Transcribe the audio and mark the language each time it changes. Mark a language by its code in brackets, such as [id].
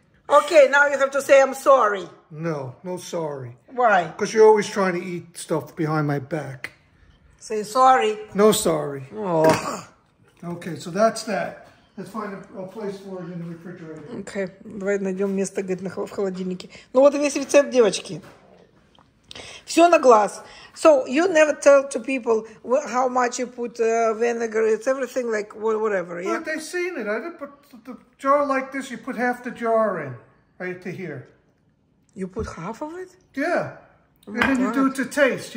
[en] Okay, now you have to say I'm sorry. No sorry. Why? Because you're always trying to eat stuff behind my back. Say sorry. No sorry. Oh. Okay, so that's that. Let's find a place for it in the refrigerator. Okay, [ru] давай найдем место, говорит, в холодильнике. Ну вот и весь рецепт, девочки. Все на глаз. [en] So you never tell to people how much you put vinegar. It's everything like whatever. Yeah, but they've seen it. I didn't put the jar like this. You put half the jar in right to here. You put half of it? Yeah. Oh, and then you do it to taste.